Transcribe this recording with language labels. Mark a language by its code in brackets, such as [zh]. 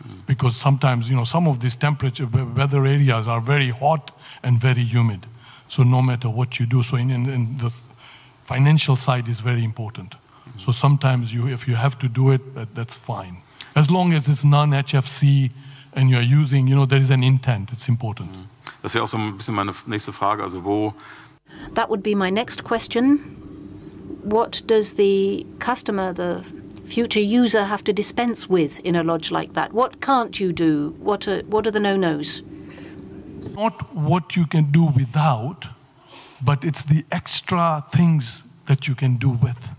[en] Because sometimes, you know, some of these temperature weather areas are very hot and very humid. So no matter what you do, so in the financial side is very important. So sometimes if you have to do it, that's fine. As long as it's non-HFC and you're using, you know, there is an intent, it's important. [de] Das wäre auch so ein bisschen meine nächste Frage, also wo... [en] That would be my next question. What does the customer, the future user, have to dispense with in a lodge like that? What can't you do? What are the no-nos? Not what you can do without, but it's the extra things that you can do with.